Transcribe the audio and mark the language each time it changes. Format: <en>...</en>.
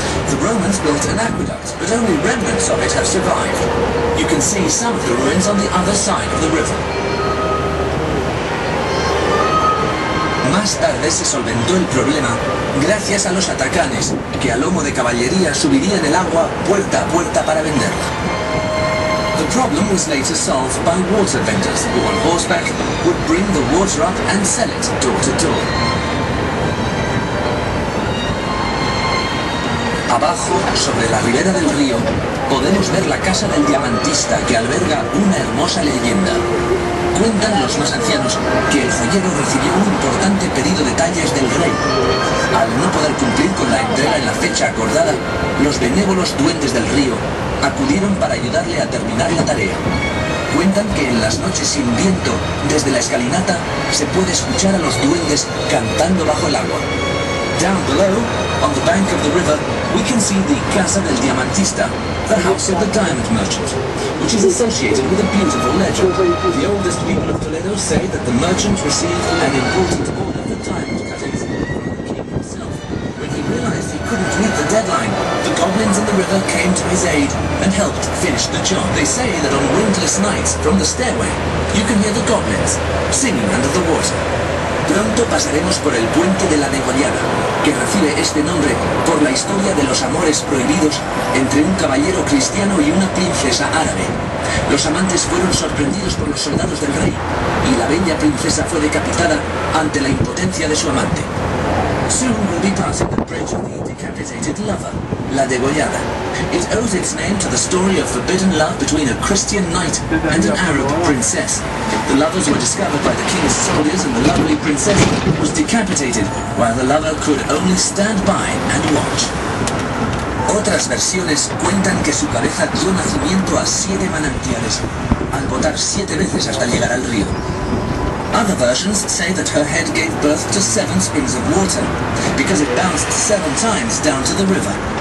<en>The Romans built an aqueduct, but only remnants of it have survived. You can see some of the ruins on the other side of the river.</en> <es>Más tarde se solventó el problema gracias a los atacanes, que a lomo de caballería subirían el agua puerta a puerta para venderla.</es> <en>The problem was later solved by water vendors, who on horseback would bring the water up and sell it door to door.</en> <es>Abajo, sobre la ribera del río, podemos ver la casa del diamantista que alberga una hermosa leyenda. Cuentan los más ancianos que el joyero recibió un importante pedido de tallas del rey. Al no poder cumplir con la entrega en la fecha acordada, los benévolos duendes del río acudieron para ayudarle a terminar la tarea. Cuentan que en las noches sin viento, desde la escalinata, se puede escuchar a los duendes cantando bajo el agua.</es> <en>Down below, on the bank of the river, we can see the Casa del Diamantista, the house of the diamond merchant, which is associated with a beautiful legend. The oldest people of Toledo say that the merchant received an important order of the diamond cuttings from the king himself. When he realized he couldn't meet the deadline, the goblins in the river came to his aid and helped finish the job. They say that on windless nights, from the stairway, you can hear the goblins singing under the water.</en> <es>Pronto pasaremos por el Puente de la Degollada, que recibe este nombre por la historia de los amores prohibidos entre un caballero cristiano y una princesa árabe. Los amantes fueron sorprendidos por los soldados del rey, y la bella princesa fue decapitada ante la impotencia de su amante.</es> <en>Soon we'll be passing the bridge of the decapitated lover, La Degollada. It owes its name to the story of forbidden love between a Christian knight and an Arab princess. The lovers were discovered by the king's soldiers and the lovely princess was decapitated, while the lover could only stand by and watch.</en> <es>Otras versiones cuentan que su cabeza dio nacimiento a 7 manantiales, al botar 7 veces hasta llegar al río.</es> <en>Other versions say that her head gave birth to 7 springs of water, because it bounced 7 times down to the river.</en>